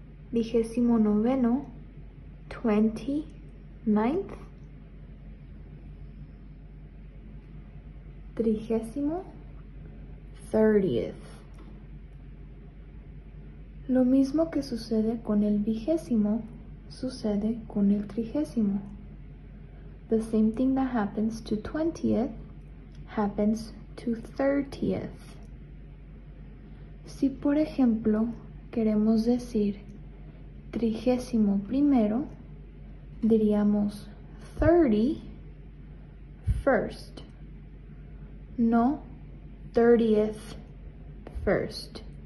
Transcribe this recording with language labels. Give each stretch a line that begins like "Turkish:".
Spanish: Vigésimo noveno, 29th. Trigésimo, 30th. Lo mismo que sucede con el vigésimo, sucede con el trigésimo.
English: The same thing that happens to 20th happens to 30th.
Spanish: Si, por ejemplo, queremos decir trigésimo primero, diríamos 31st.
English: No, 30th first.